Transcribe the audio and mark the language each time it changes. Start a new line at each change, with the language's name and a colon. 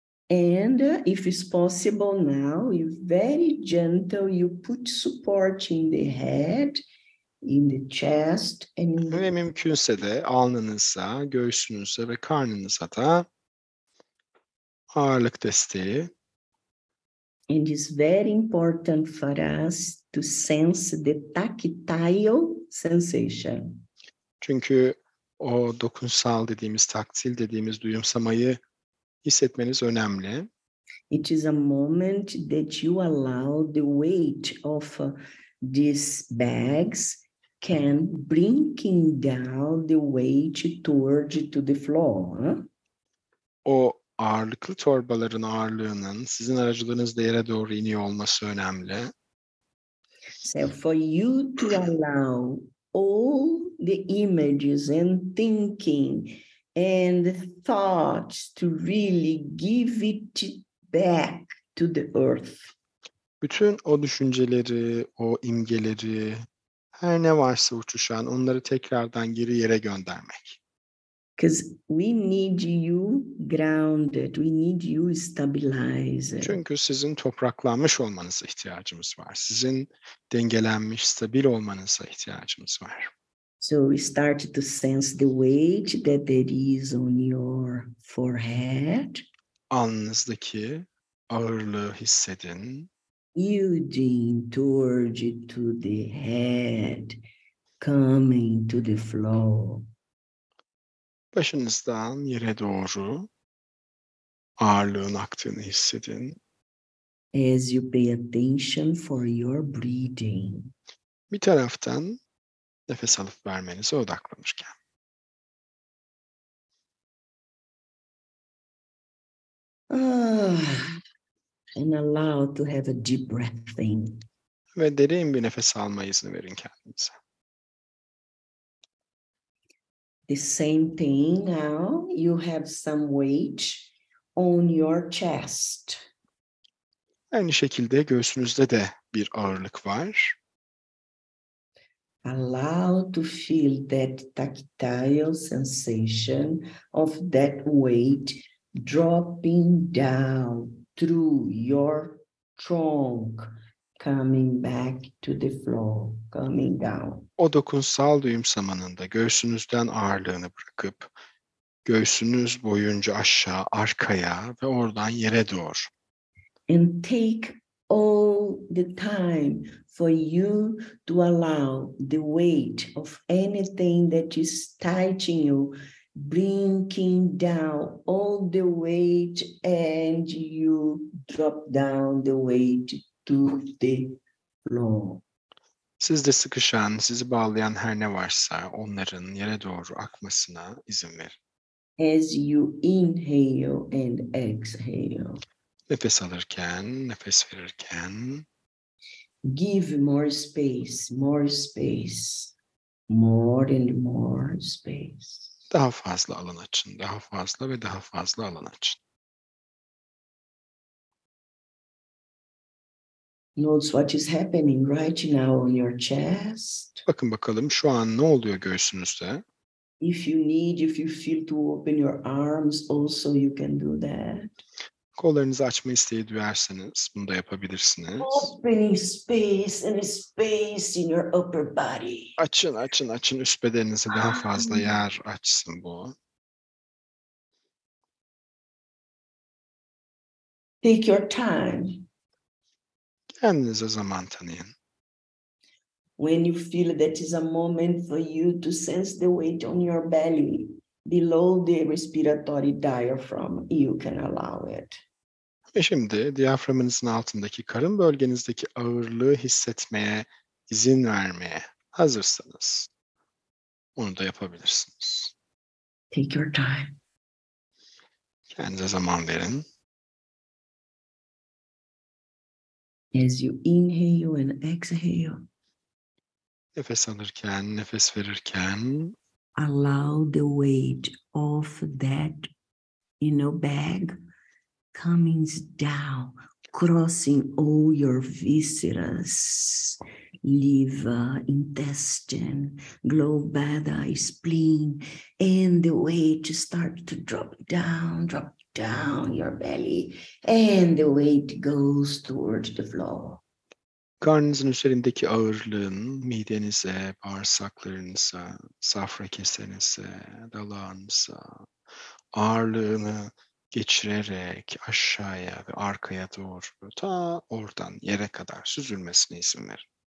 English: And if it's possible now, you very gentle, you put support in the head, in the chest.
Turkish: Ve mümkünse de alnınıza, göğsünüze ve karnınıza da ağırlık desteği.
English: And it's very important for us to sense the tactile sensation.
Turkish: Çünkü o dokunsal dediğimiz, taktil dediğimiz duyumsamayı hissetmeniz önemli.
English: It is a moment that you allow the weight of these bags can bringing down the weight towards to the floor.
Turkish: O ağırlıklı torbaların ağırlığının sizin aracılığınızla yere doğru iniyor olması önemli.
English: So for you to allow all the images and thinking and the thoughts to really give it back to the earth.
Turkish: Bütün o düşünceleri, o imgeleri, her ne varsa uçuşan, onları tekrardan geri yere göndermek.
English: Because we need you grounded, we need you stabilized.
Turkish: Çünkü sizin topraklanmış olmanıza ihtiyacımız var. Sizin dengelenmiş, stabil olmanıza ihtiyacımız var.
English: So we start to sense the weight that there is on your forehead.
Turkish: Alnınızdaki ağırlığı hissedin.
English: Yielding towards it to the head, coming to the floor.
Turkish: Başınızdan yere doğru ağırlığın aktığını hissedin.
English: As you pay attention for your breathing.
Turkish: Bir taraftan nefes alıp vermenize odaklanırken.
English: Ah, and allow to have a deep breath in.
Turkish: Ve derin bir nefes alma izni verin kendinize.
English: The same thing now, you have some weight on your chest.
Turkish: Aynı şekilde göğsünüzde de bir ağırlık var.
English: Allow to feel that tactile sensation of that weight dropping down through your trunk, coming back to the floor, coming down.
Turkish: O dokunsal duyumsamanın da göğsünüzden ağırlığını bırakıp göğsünüz boyunca aşağı, arkaya ve oradan yere doğru.
English: And take all the time for you to allow the weight of anything that is touching you, bringing down all the weight, and you drop down the weight to the floor.
Turkish: Sizde sıkışan, sizi bağlayan her ne varsa onların yere doğru akmasına izin verin.
English: As you inhale and exhale.
Turkish: Nefes alırken, nefes verirken.
English: Give more space, more space, more and more space.
Turkish: Daha fazla alan açın, daha fazla ve daha fazla alan açın.
English: Notice what is happening right now on your chest.
Turkish: Bakın bakalım şu an ne oluyor göğsünüzde?
English: If you need, if you feel to open your arms also you can do that.
Turkish: Kollarınızı açma isteği duyarsanız bunu da yapabilirsiniz.
English: Opening space and space in your upper body.
Turkish: Açın, açın, açın üst bedeninizi. Daha fazla yer açsın bu.
English: Take your time.
Turkish: Kendinize zaman tanıyın.
English: When you feel that is a moment for you to sense the weight on your belly below the respiratory diaphragm, you can allow it.
Turkish: Ve şimdi diyaframınızın altındaki karın bölgenizdeki ağırlığı hissetmeye, izin vermeye hazırsanız, onu da yapabilirsiniz.
English: Take your time.
Turkish: Kendinize zaman verin.
English: As you inhale and exhale.
Turkish: Nefes alırken, nefes verirken.
English: allow the weight of that, you know, bag coming down, crossing all your viscera, liver, intestine, glabella, spleen, and the weight starts to drop down your belly, and the weight goes towards the floor.
Turkish: Karnınızın üzerindeki ağırlığın midenize, bağırsaklarınıza, safra kesenize, dalağınıza ağırlığını geçirerek aşağıya ve arkaya doğru ta oradan yere kadar süzülmesine izin verin.